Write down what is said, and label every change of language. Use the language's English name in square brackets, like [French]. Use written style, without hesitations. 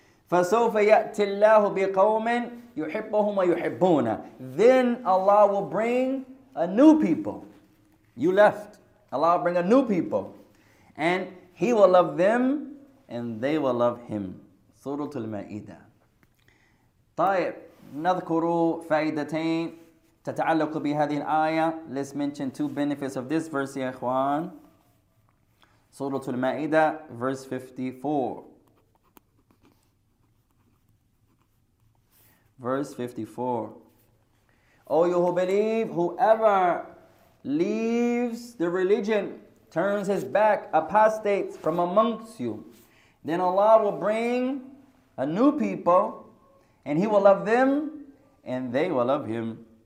[Arabic] فَسَوْفَ يَأْتِ اللَّهُ بِقَوْمٍ يُحِبُّهُمْ وَيُحِبُّونَ. [English] Then Allah will bring a new people. You left. Allah will bring a new people. And He will love them, and they will love Him. Surah Al-Ma'idah. [Arabic] طيب, نذكروا فائدتين تتعلق بهذه الآية. [English] Let's mention two benefits of this verse, ya ikhwan. Surah Al-Ma'idah, verse 54. O you who believe, whoever leaves the religion, turns his back, apostates from amongst you, then Allah will bring a new people, and He will love them, and they will love Him.